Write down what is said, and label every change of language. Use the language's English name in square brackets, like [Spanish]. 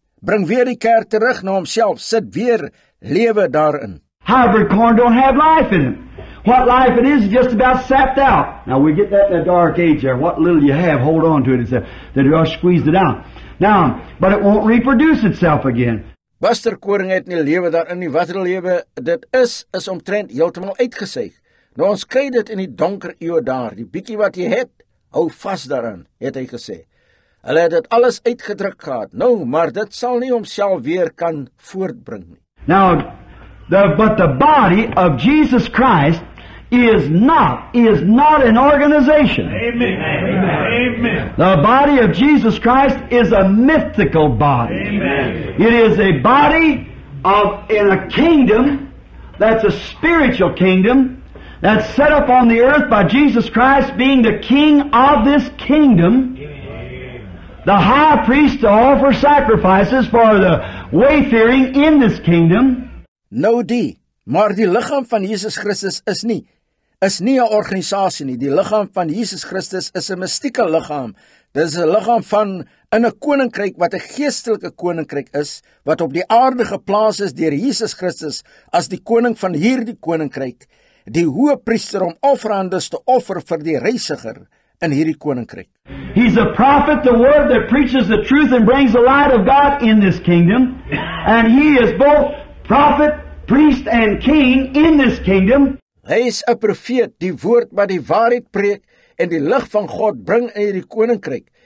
[Afrikaans] Bring weer die kerk terug na homself, sit weer, lewe daarin. [English] Hybrid corn don't have life in it. What life it is just about sapped out. Now we get that in the dark age there. What little you have, hold on to it. It's that you all squeezed it out. Now, but it won't reproduce itself again. [Afrikaans] Buster koring het nie lewe daarin nie. Wat lewe dit is omtrent heeltemal uitgeseig. Nou ons kry dit in die donker eeuw daar. Die bietjie wat jy het, hou vast daarin, het hy gesê. Hulle het dit alles uitgedruk gehad. Nou, maar dit sal nie homself weer kan voortbring nie. [English] Now, but the body of Jesus Christ is not an organization. Amen. Amen. The body of Jesus Christ is a mythical body. Amen. It is a body of in a kingdom that's a spiritual kingdom that's set up on the earth by Jesus Christ being the king of this kingdom. The high priest to offer sacrifices for the wayfaring in this kingdom. [Afrikaans] No die, maar die liggaam van Jesus Christus is nie 'n organisasie nie. Die liggaam van Jesus Christus is 'n mystieke liggaam. Dit is 'n liggaam van in 'n koninkryk wat 'n geestelike koninkryk is, wat op die aarde geplaas is deur Jesus Christus as die koning van hierdie koninkryk, die hoë priester om offerandes te offer vir die reisiger in hierdie koninkryk. [English] He's a prophet, the word that preaches the truth and brings the light of God in this kingdom. And he is both prophet, priest and king in this kingdom. [Afrikaans] Hy is 'n profeet, die woord wat die waarheid preek en die lig van God bring in hierdie koninkryk.